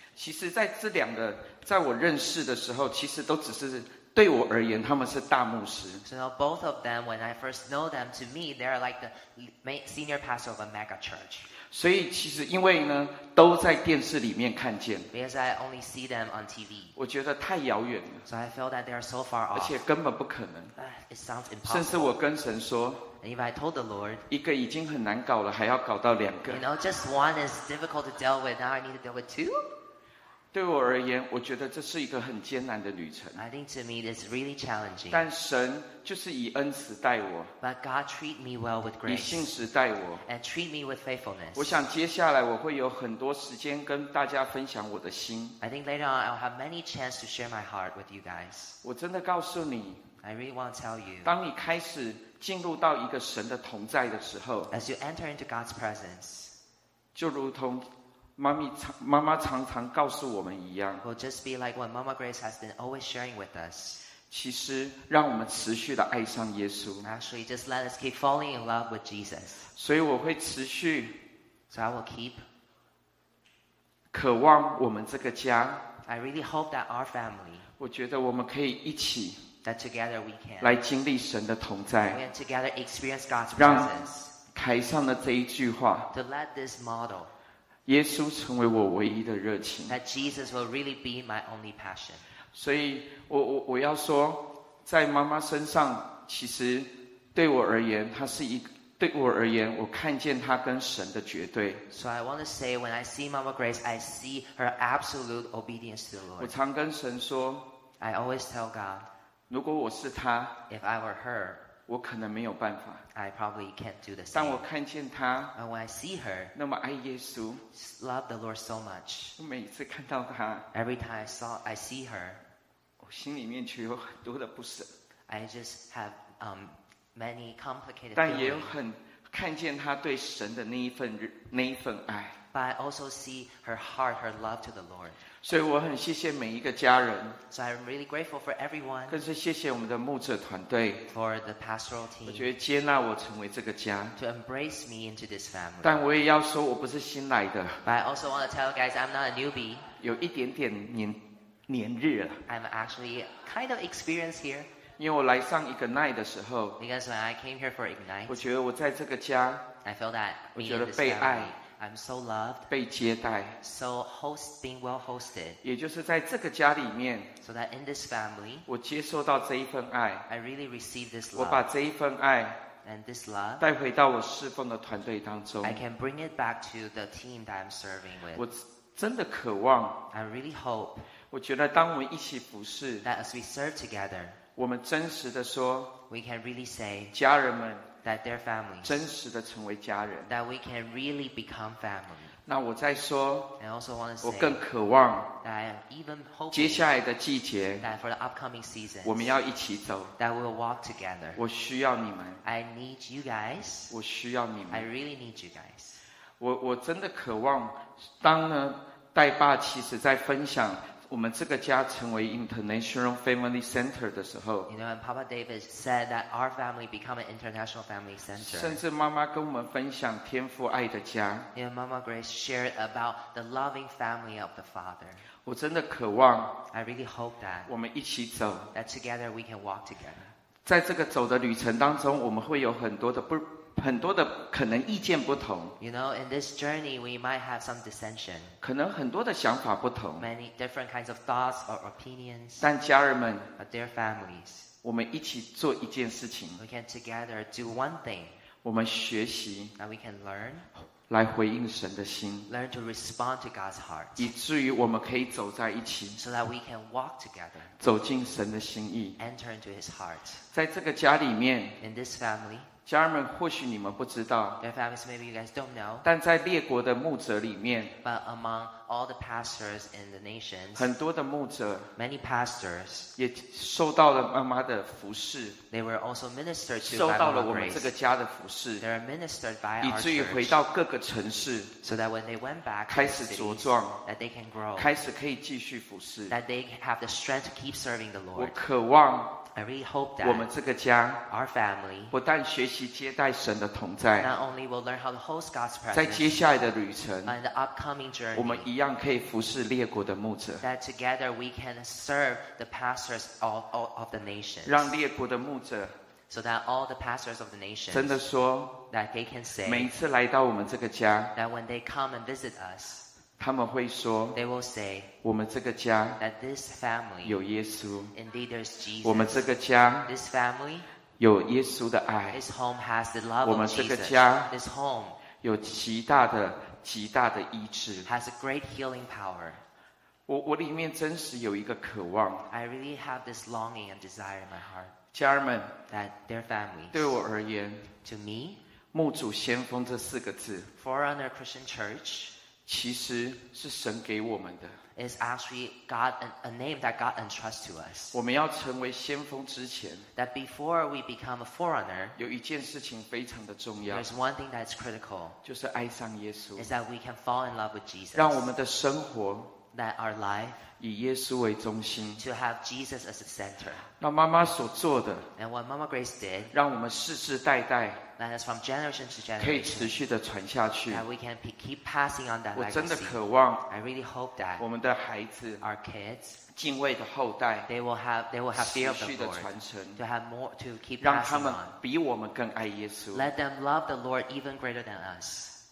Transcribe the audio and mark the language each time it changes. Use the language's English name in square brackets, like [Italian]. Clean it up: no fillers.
[Chinese] 其实在这两个在我认识的时候其实都只是对我而言他们是大牧师 [English] so now both of them when I first know them to me they are like the senior pastor of a mega church [Chinese] 所以其实因为呢都在电视里面看见 [English] because I only see them on TV [Chinese] 我觉得太遥远了 [English] so I feel that they are so far off [Chinese] 而且根本不可能 [English] it sounds impossible [Chinese] 甚至我跟神说 [English] And if I told the Lord, [Chinese] 一个已经很难搞了，还要搞到两个。 [English] You know, just one is difficult to deal with. Now I need to deal with two. [Chinese] 对我而言，我觉得这是一个很艰难的旅程。 [English] I think to me, it's really challenging. [Chinese] 但神就是以恩慈待我。 [English] But God treat me well with grace. [Chinese] 以信实待我。 [English] And treat me with faithfulness. [Chinese] 我想接下来我会有很多时间跟大家分享我的心。 [English] I think later on, I'll have many chances to share my heart with you guys. [Chinese] 我真的告诉你。 [English] I really want to tell you. [Chinese] 当你开始进入到一个神的同在的时候 [English] ，As you enter into God's presence， [Chinese] 就如同妈妈常常告诉我们一样 [English] ，Will just be like what Mama Grace has been always sharing with us。 [Chinese] 其实，让我们持续的爱上耶稣。 [English] Actually, just let us keep falling in love with Jesus。 [Chinese] 所以我会持续 [English] ，So I will keep [Chinese] 渴望我们这个家。 [English] I really hope that our family。 [Chinese] 我觉得我们可以一起。 [English] That together we can [Chinese] 来经历神的同在 [English] we can together experience God's presence, [Chinese] 让台上的这一句话 [English] to let this model, [Chinese] 耶稣成为我唯一的热情 [English] that Jesus will really be my only passion [Chinese] 所以 我要说在妈妈身上其实对我而言她是一对我而言我看见她跟神的绝对 [English] so I want to say when I see Mama Grace I see her absolute obedience to the Lord [Chinese] 我常跟神说 [English] I always tell God [Chinese] 如果我是他 [English] If I were her, [Chinese] 我可能没有办法 [English] I probably can't do the same. [Chinese] 但我看见他 [English] But when I see her, [Chinese] 那么爱耶稣 [English] love the Lord so much. [Chinese] 我每次看到他 [English] Every time I see her, [Chinese] 我心里面却有很多的不舍 [English] I just have many complicated [Chinese] 但也有很看见他对神的那一份爱 [English] But I also see her heart, her love to the Lord. [Chinese] 所以我很谢谢每一个家人 [English] So I'm really grateful for everyone [Chinese] 更是谢谢我们的牧者团队 [English] For the pastoral team [Chinese] 我觉得接纳我成为这个家 [English] To embrace me into this family [Chinese] 但我也要说我不是新来的 [English] But I also want to tell you guys I'm not a newbie [Chinese] 有一点点年日了 [English] I'm actually kind of experienced here [Chinese] 因为我来上 Ignite 的时候 [English] Because when I came here for Ignite [Chinese] 我觉得我在这个家 [English] I feel that [Chinese] 我觉得被爱 [English] I'm so loved, [Chinese] 被接待 [English] so host being well hosted. [Chinese] 也就是在这个家里面 [English] so that in this family, [Chinese] 我接受到这一份爱 [English] I really receive this love. [Chinese] 我把这一份爱 [English] and this love, [Chinese] 带回到我侍奉的团队当中 [English] I can bring it back to the team that I'm serving with. [Chinese] 我真的渴望 [English] I really hope, [Chinese] 我觉得当我们一起服侍 [English] that as we serve together, [Chinese] 我们真实的说 [English] we can really say, [Chinese] 家人们 [English] That their families, [Chinese] 真实的成为家人 [English] that we can really become family. [Chinese] 那我再说 [English] I also want to say, [Chinese] 我更渴望 [English] that I am even hoping, [Chinese] 接下来的季节 [English] that for the upcoming seasons, [Chinese] 我们要一起走 [English] that we will walk together. [Chinese] 我需要你们 [English] I need you guys. [Chinese] 我需要你们 [English] I really need you guys. [Chinese] 我真的渴望当呢戴爸其实在分享我们这个家成为 International Family Center 的时候 [English] You know, and Papa David said that our family become an International Family Center. [Chinese] 甚至妈妈跟我们分享天父爱的家 [English] You know, Mama Grace shared about the loving family of the Father. [Chinese] 我真的渴望 [English] I really hope that [Chinese] 我们一起走 [English] that together we can walk together. [Chinese] 在这个走的旅程当中我们会有很多的很多的可能意见不同。 [English] You know, in this journey, we might have some dissension. [Chinese] 可能很多的想法不同。 [English] Many different kinds of thoughts or opinions. [Chinese] 但家人们 [English] ，but their families， [Chinese] 我们一起做一件事情。 [English] We can together do one thing. [Chinese] 我们学习 [English] ，that we can learn， [Chinese] 来回应神的心。 [English] Learn to respond to God's heart. [Chinese] 以至于我们可以走在一起 [English] ，so that we can walk together. [Chinese] 走进神的心意 [English] ，enter into His heart. [Chinese] 在这个家里面 [English] ，in this family。 [Chinese] 家人们，或许你们不知道， [English] Their families, maybe you guys don't know, [Chinese] 但在列国的牧者里面， [English] but among all the pastors in the nations, [Chinese] 很多的牧者， [English] many pastors, [Chinese] 也受到了妈妈的服侍， [English] they were also ministered to [Chinese] 受到了我们这个家的服侍， [English] they are ministered by our church, [Chinese] 以至于回到各个城市， [English] so that when they went back, [Chinese] 开始茁壮， [English] that they can grow, [Chinese] 开始可以继续服侍， [English] that they have the strength to keep serving the Lord. [Chinese] 我渴望 [English] I really hope that [Chinese] 我们这个家 [English] our family [Chinese] 不但学习接待神的同在 [English] not only will learn how to host God's presence [Chinese] 在接下来的旅程 [English] but in the upcoming journey [Chinese] 我们一样可以服侍列国的牧者 [English] that together we can serve the pastors of the nations [Chinese] 让列国的牧者 [English] so that all the pastors of the nations [Chinese] 真的说 [English] that they can say [Chinese] 每一次来到我们这个家 [English] that when they come and visit us [Chinese] 他们会说 [English] they will say [Chinese] 我们这个家 [English] that this family [Chinese] 有耶稣 [English] indeed there's Jesus [Chinese] 我们这个家 [English] this family [Chinese] 有耶稣的爱 [English] this home has the love of Jesus [Chinese] 我们这个家 [English] this home [Chinese] 有极大的极大的医治 [English] has a great healing power [Chinese] 我里面真实有一个渴望 [English] I really have this longing and desire in my heart [Chinese] 家人们 [English] that their family [Chinese] 对我而言 [English] to me [Chinese] 牧主先锋这四个字 [English] Forerunner Christian Church [Chinese] 其实是神给我们的 [English] is actually God a name that God entrusts to us. [Chinese] 我们要成为先锋之前 [English] that before we become a forerunner, [Chinese] 有一件事情非常的重要 [English] there's one thing that's critical, [Chinese] 就是爱上耶稣 [English] is that we can fall in love with Jesus. [Chinese] 让我们的生活 [English] that our life, [Chinese] 以耶稣为中心 [English] to have Jesus as a center. [Chinese] 那妈妈所做的 [English] and what Mama Grace did, [Chinese] 让我们世世代代 [English] that is from generation to generation, [Chinese] 可以持续的传下去 [English] that we can keep passing on that legacy. [Chinese] 我真的渴望 [English] I really hope that [Chinese] 我们的孩子 [English] our kids, [Chinese] 敬畏的后代 [English] they will have fear of the Lord, [Chinese] 持续的传承 [English] to have more, to keep [Chinese] 让他们比我们更爱耶稣 [English] let them love the Lord even greater than us.